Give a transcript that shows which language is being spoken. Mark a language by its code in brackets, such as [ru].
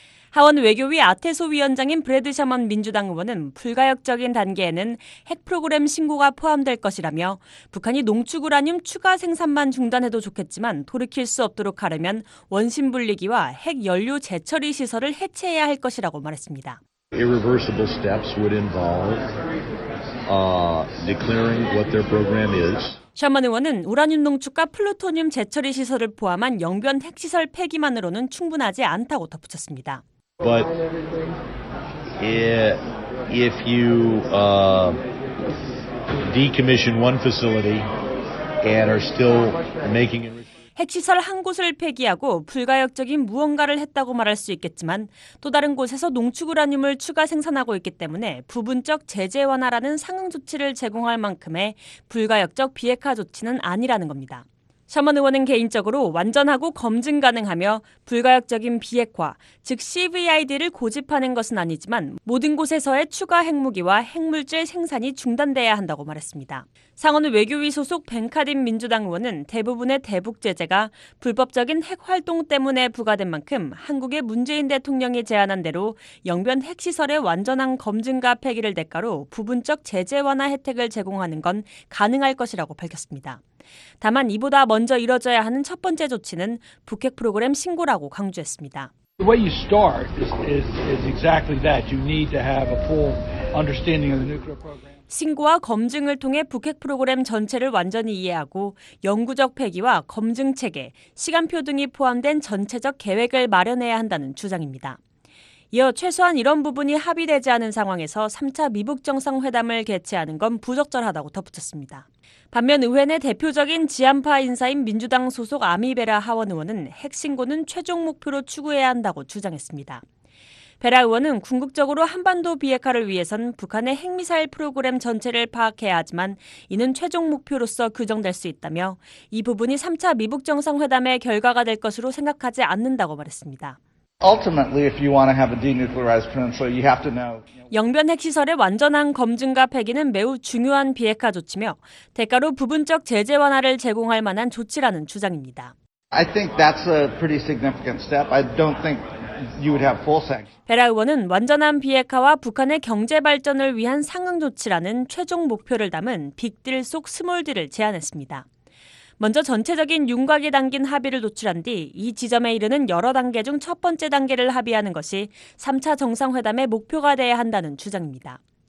[ko] 하원 외교위 아태소 위원장인 브래드 셔먼 민주당 의원은 불가역적인 단계에는 핵 프로그램 신고가 포함될 것이라며 북한이 농축우라늄 추가 생산만 중단해도 좋겠지만 돌이킬 수 없도록 하려면 원심 불리기와 핵 연료 재처리 시설을 해체해야 할 것이라고 말했습니다. [en] Irreversible steps would involve declaring what their program is. [ko] 셔먼 의원은 우라늄 농축과 플루토늄 재처리 시설을 포함한 영변 핵시설 폐기만으로는 충분하지 않다고 덧붙였습니다. [en] But if you decommission one facility and are still making [ko] 핵시설 한 곳을 폐기하고 불가역적인 무언가를 했다고 말할 수 있겠지만 또 다른 곳에서 농축우라늄을 추가 생산하고 있기 때문에 부분적 제재 완화라는 상응 조치를 제공할 만큼의 불가역적 비핵화 조치는 아니라는 겁니다. 셔먼 의원은 개인적으로 완전하고 검증 가능하며 불가역적인 비핵화, 즉 CVID를 고집하는 것은 아니지만 모든 곳에서의 추가 핵무기와 핵물질 생산이 중단돼야 한다고 말했습니다. 상원 외교위 소속 벤카딘 민주당 의원은 대부분의 대북 제재가 불법적인 핵 활동 때문에 부과된 만큼 한국의 문재인 대통령이 제안한 대로 영변 핵시설의 완전한 검증과 폐기를 대가로 부분적 제재 완화 혜택을 제공하는 건 가능할 것이라고 밝혔습니다. 다만 이보다 먼저 이뤄져야 하는 첫 번째 조치는 북핵 프로그램 신고라고 강조했습니다. [en] The way you start is exactly that. You need to have a full understanding of the nuclear program. [ko] 신고와 검증을 통해 북핵 프로그램 전체를 완전히 이해하고 영구적 폐기와 검증 체계, 시간표 등이 포함된 전체적 계획을 마련해야 한다는 주장입니다. 이어 최소한 이런 부분이 합의되지 않은 상황에서 3차 미북 정상회담을 개최하는 건 부적절하다고 덧붙였습니다. 반면 의회 내 대표적인 지안파 인사인 민주당 소속 아미베라 하원 의원은 핵신고는 최종 목표로 추구해야 한다고 주장했습니다. 베라 의원은 궁극적으로 한반도 비핵화를 위해선 북한의 핵미사일 프로그램 전체를 파악해야 하지만 이는 최종 목표로서 규정될 수 있다며 이 부분이 3차 미북 정상회담의 결과가 될 것으로 생각하지 않는다고 말했습니다. [en] Ultimately, if you want to have a denuclearized peninsula, you have to know. [ko] 영변 핵시설의 완전한 검증과 폐기는 매우 중요한 비핵화 조치며 대가로 부분적 제재 완화를 제공할 만한 조치라는 주장입니다. [en] I think that's a pretty significant step. I don't think you would have full sanctions. [ko] 베라 의원은 완전한 비핵화와 북한의 경제 발전을 위한 상응 조치라는 최종 목표를 담은 빅딜 속 스몰딜을 제안했습니다. 먼저 전체적인 윤곽이 담긴 합의를 도출한 뒤 이 지점에 이르는 여러 단계 중 첫 번째 단계를 합의하는 것이 3차 정상회담의 목표가 돼야 한다는 주장입니다.